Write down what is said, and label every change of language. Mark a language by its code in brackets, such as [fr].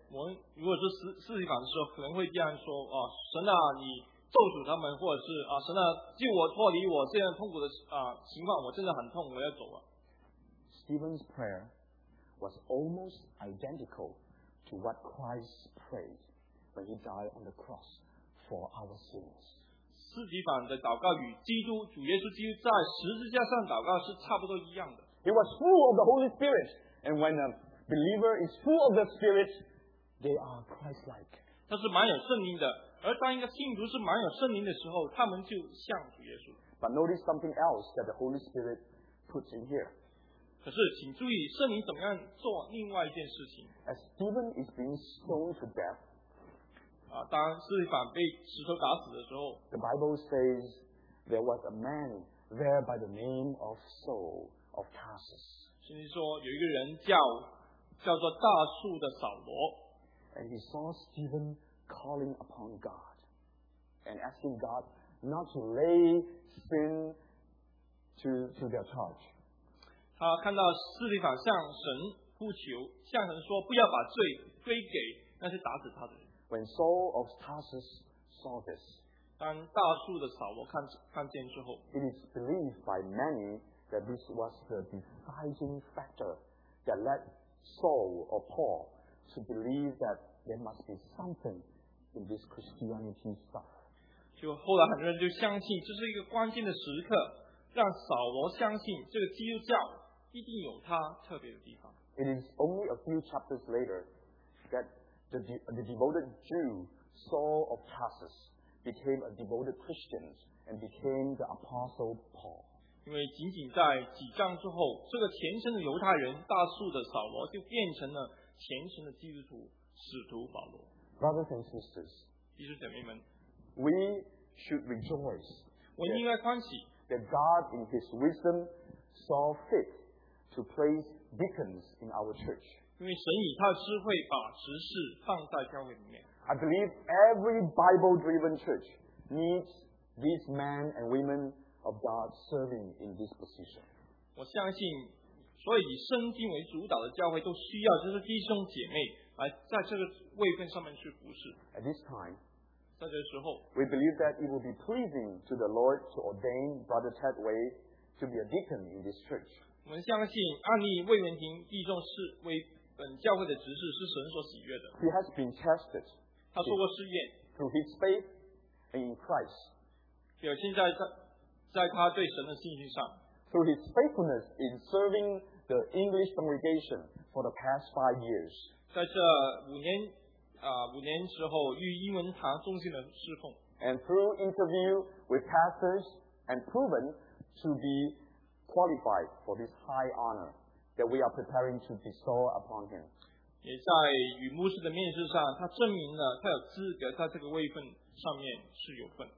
[zh] 我们如果是斯蒂凡的时候，可能会这样说：啊，神啊，你咒诅他们，或者是啊，神啊，救我脱离我这样痛苦的情况，我真的很痛，我要走了。 [en] Stephen's prayer was almost identical to what Christ prayed when he died on the cross for our sins. [zh] 斯蒂凡的祷告与基督主耶稣基督在十字架上祷告是差不多一样的。 [en] He was full of the Holy Spirit. And when a believer is full of the Spirit, they are Christ-like. [zh] 他是满有圣灵的，而当一个信徒是满有圣灵的时候，他们就像主耶稣。 [en] But notice something else that the Holy Spirit puts in here. [zh] 可是，请注意圣灵怎么样做另外一件事情。 [en] As Stephen is being stoned to death, [zh] 当斯提凡被石头打死的时候 [en] ，The Bible says there was a man there by the name of Saul of Tarsus. [zh] 圣经说有一个人叫做大树的扫罗。 [en] And he saw Stephen calling upon God and asking God not to lay sin to their charge. [zh] 他看到斯提凡向神呼求，向神说不要把罪归给那些打死他的人。 [en] When Saul of Tarsus saw this, [zh] 当大树的扫罗看见之后， [en] it is believed by many that this was the deciding factor that led Saul or Paul. To believe that there must be something in this Christianity stuff. [zh] 就后来很多人就相信这是一个关键的时刻，让扫罗相信这个基督教一定有它特别的地方。 [en] It is only a few chapters later that the devoted Jew Saul of Tarsus became a devoted Christian and became the Apostle Paul. [zh] 因为仅仅在几章之后，这个虔诚的犹太人大树的扫罗就变成了。虔诚的基督徒使徒保罗 [en] Brothers and sisters, [zh] 弟兄姐妹们 [en] We should rejoice [zh] 我们应该欢喜 [en] that God in his wisdom saw fit to place deacons in our church [zh] 因为神以他的智慧把执事放在教会里面 [en] I believe every Bible driven church needs these men and women of God serving in this position [zh] 我相信所以以圣经为主导的教会都需要这些弟兄姐妹来在这个位分上面去服侍。 [en] At this time, [zh] 在这个时候 [en] we believe that it will be pleasing to the Lord to ordain Brother Ted Wei to be a deacon in this church. [zh] 我们相信按立魏元廷弟兄是为本教会的执事是神所喜悦的。 [en] He has been tested. [zh] 他受过试验。 [en] Through his faith and in Christ. [zh] 表现在他对神的信心上。 [en] Through his faithfulness in serving the English congregation for the past 5 years. [zh] 在这五年之后，与英文堂中心的侍奉。 [en] And through interview with pastors and proven to be qualified for this high honor that we are preparing to bestow upon him. [zh] 也在与牧师的面试上，他证明了他有资格，在这个位分上面是有份。